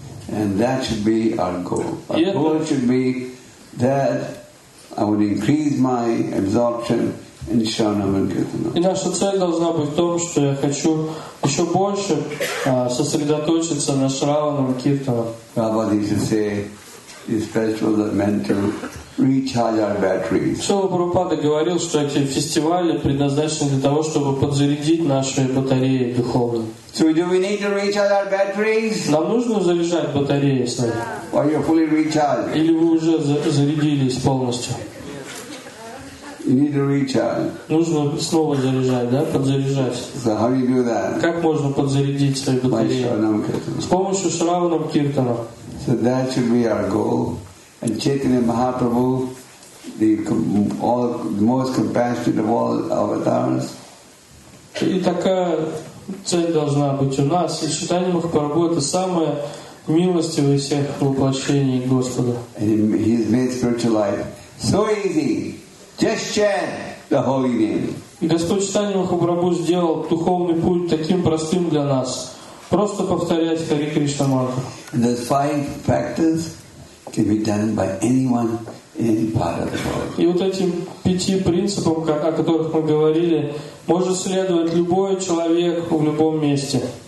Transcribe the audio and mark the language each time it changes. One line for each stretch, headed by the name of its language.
English: And that should be our goal. Our goal should be that I would increase my absorption in Shravanam and Kirtanam.
Russian: И наша цель должна быть в том, что я хочу еще больше сосредоточиться на Шраванам Киртанам.
English: Prabhupada used to say, these festivals are meant to recharge our batteries.
Russian: Шрила Прабхупада говорил, что эти фестивали предназначены для того, чтобы подзарядить наши батареи духовные.
English: So do we need to recharge our batteries?
Russian: Нам нужно заряжать батареи сами.
English: Are you fully recharged?
Russian: Или вы уже зарядились полностью?
English: You need to recharge.
Russian: Нужно снова заряжать, да, подзаряжать.
English: So how do you do that?
Russian: Как можно подзарядить свою батарею? С помощью Шраванам Киртана.
English: So that should be our goal. And Chaitanya Mahaprabhu, the most compassionate of all avatars.
Russian: И такая цель должна быть у нас. И Чайтанья Махапрабху это самое милостивое из всех воплощений Господа.
English: And he's made spiritual life so easy. Just chant the holy name.
Russian: И Господь Чайтанья Махапрабху сделал духовный путь таким простым для нас. Просто повторять Хари Кришна Мантру.
English: And there's five factors can be done by anyone.
Russian: И вот этим пяти принципам, о которых мы говорили, может следовать любой человек в любом месте.